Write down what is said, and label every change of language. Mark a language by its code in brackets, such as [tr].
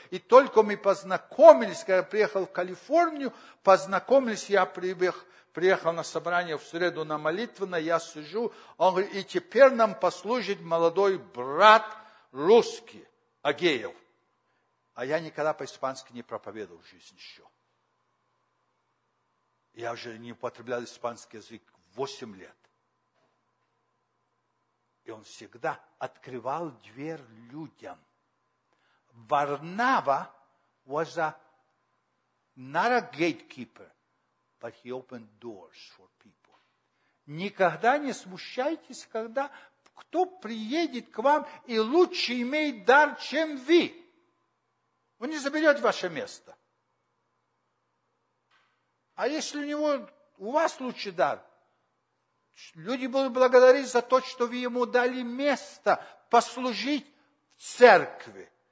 [ru] И только мы познакомились, когда я приехал в Калифорнию, познакомились, я приехал на собрание в среду на молитвенное, я сижу, он говорит, и теперь нам послужит молодой брат русский, Агеев. А я никогда по-испански не проповедовал в жизни еще. Я уже не употреблял испанский язык 8 лет. И он всегда открывал дверь людям. [en] Варнава was a, not a gatekeeper, but he opened doors for people. [ru] Никогда не смущайтесь, когда кто приедет к вам и лучше имеет дар, чем вы. Он не заберет ваше место. А если у него, у вас лучший дар, люди будут благодарить за то, что вы ему дали место послужить в церкви.